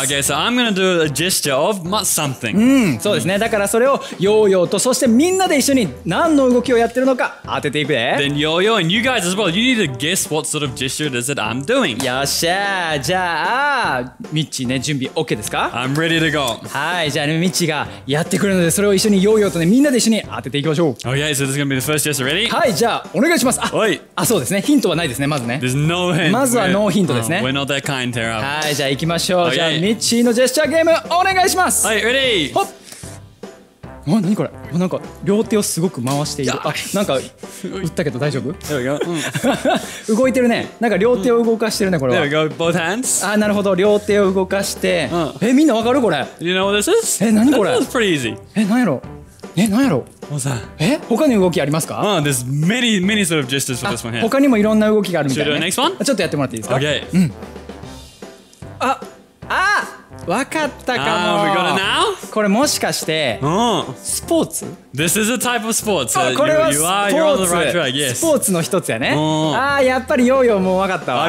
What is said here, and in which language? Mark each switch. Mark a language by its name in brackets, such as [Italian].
[English] Okay, so I'm gonna do a gesture of something. [Japanese] そうですね、だからそれをヨーヨーとそしてみんなで一緒に何の動きをやってるのか当てていくで。 [English] Then ヨーヨー and you guys as well, you need to guess what sort of gesture is it I'm doing. [Japanese] よっしゃ、じゃあミッチーね、準備 OK ですか？ [English] I'm ready to go. [Japanese] はい、じゃあ、ね、ミッチーがやってくるのでそれを一緒にヨーヨーとね、みんなで一緒に当てていきましょう。 [English] Okay, so this is gonna be the first yes already? [Japanese] はい、じゃあお願いします。あ、そうですね、ヒントはないですね、まずね。 [English] There's no hint. [Japanese] まずはノーヒントですね。 [English] We're not that kind, Tara. [Japanese] はい、じゃあ行きましょう。じゃあミッチーのジェスチャーゲームお願いします。 [English] Alright, ready? ほっ。 [Japanese] あ、何これ、なんか両手をすごく回している。あ、なんか打ったけど大丈夫？動いてるね。なんか両手を動かしてるね、これは。 [English] There we go, both hands. [Japanese] あ、なるほど、両手を動かして、え、みんなわかるこれ？ [English] You know what this is? [Japanese] え、何これ？ [English] That's pretty easy. [Japanese] え、何やろ？え、何やろ？ [English] What's that? [Japanese] え、他に動きありますか？ [English] There's many, many sort of gestures for this one here. [Japanese] 他にもいろんな動きがあるみたい [English] な、ね。Should we do the next one? [Japanese] ちょっとやってもらっていいですか？ [English] Okay. うん。 [Japanese] わかったかも。 [English] We got it now? [Japanese] これもしかしてスポーツ？ [English] This is a type of sports. [Japanese] これはスポーツ。 [English] You are on the right track. Yes. [Japanese] スポーツの一つやね。ああ、やっぱりヨーヨーもわかったわ。